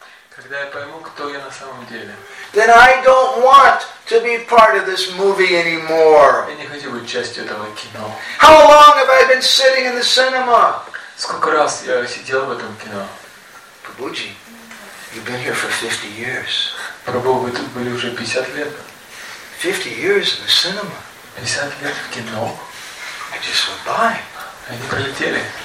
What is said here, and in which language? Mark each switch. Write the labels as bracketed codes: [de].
[ru] Когда я пойму, кто я на самом деле. [en] then I don't want to be part of this movie anymore. [ru] Я не хочу быть частью этого кино. [en] How long have I been sitting in the cinema? [ru] Сколько раз я сидел в этом кино? [en] Прабуджи, you've been here for 50 years. [ru] Прабу, вы тут были уже 50 лет. [en] 50 years in the cinema. [ru] 50 лет в кино. [en] I just went by. [ru] Они пролетели.